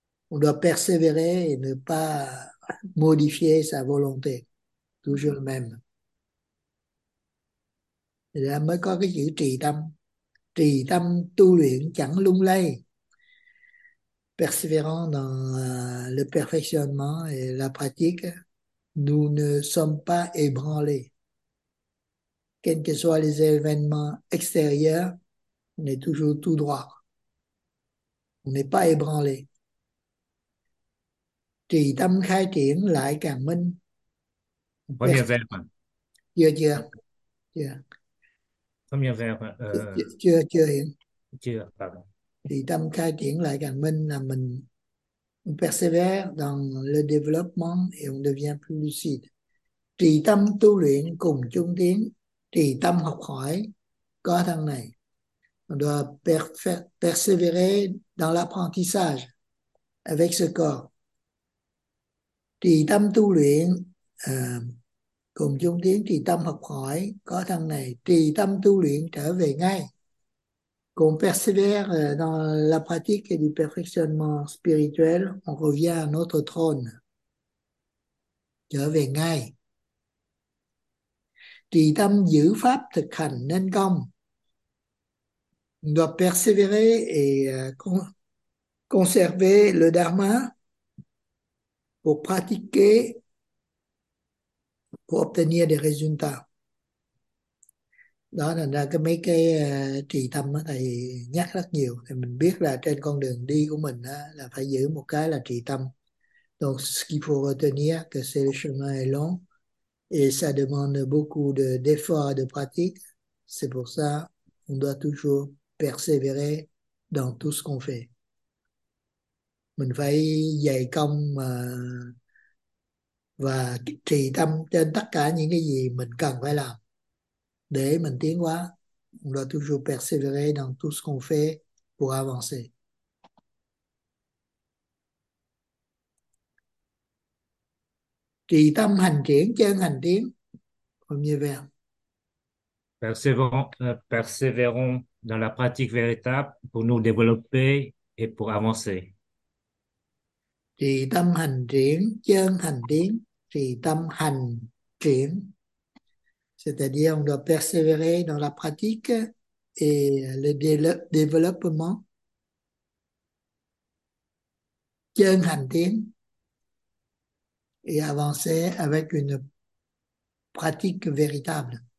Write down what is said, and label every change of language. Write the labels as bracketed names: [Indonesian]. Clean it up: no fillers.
[French] On doit persévérer et ne pas modifier sa volonté. Toujours le même. [Vietnamese] Et là mới có cái chữ trì tâm. Trì tâm tu luyện chẳng lung lay, [French] persévérant dans le perfectionnement et la pratique, nous ne sommes pas ébranlés. Quels que soient les événements extérieurs, on est toujours tout droit. On n'est pas ébranlé. [Vietnamese] Trì tâm khai triển lại càng minh. [French] Premier verbe. Premier verbe. [Vietnamese] Chưa hiện Chưa, pardon. thì tâm khai triển lại càng minh là mình [French] persévère dans le développement et on devient plus lucide. [Vietnamese] Trì tâm tu luyện cùng chung tiến, trì tâm học hỏi có thằng này. [French] On doit persévérer dans l'apprentissage avec ce corps. [Vietnamese] Trì tâm tu luyện cùng chung tiến, trì tâm học hỏi có thằng này. Trì tâm tu luyện trở về ngay. [French] Qu'on persévère dans la pratique du perfectionnement spirituel, on revient à notre trône. [Vietnamese] Trở về ngay. Trì tâm giữ pháp thực hành nên công. [French] On doit persévérer et conserver le dharma pour pratiquer, pour obtenir des résultats. [Vietnamese] Đó là cái mấy cái trì tâm đó, thầy nhắc rất nhiều thì mình biết là trên con đường đi của mình đó, là phải giữ một cái là trì tâm. [French] Donc ce qu'il faut retenir que c'est le chemin est long et ça demande beaucoup d'efforts de pratique. C'est pour ça on doit toujours persévérer dans tout ce qu'on fait. [Vietnamese] Mình phải dày công và trì tâm trên tất cả những cái gì mình cần phải làm để mình tiến hóa. [French] On doit toujours persévérer dans tout ce qu'on fait pour avancer. [Vietnamese] Trì tâm hành triển, chân hành tiến. [French] Comme il y Persévérons dans la pratique véritable pour nous développer et pour avancer. [Vietnamese] Trì tâm hành triển, chân hành tiến. Trì tâm hành triển. [French] C'est-à-dire, on doit persévérer dans la pratique et le développement. [Vietnamese] Chân hành tiến. [French] Et avancer avec une pratique véritable.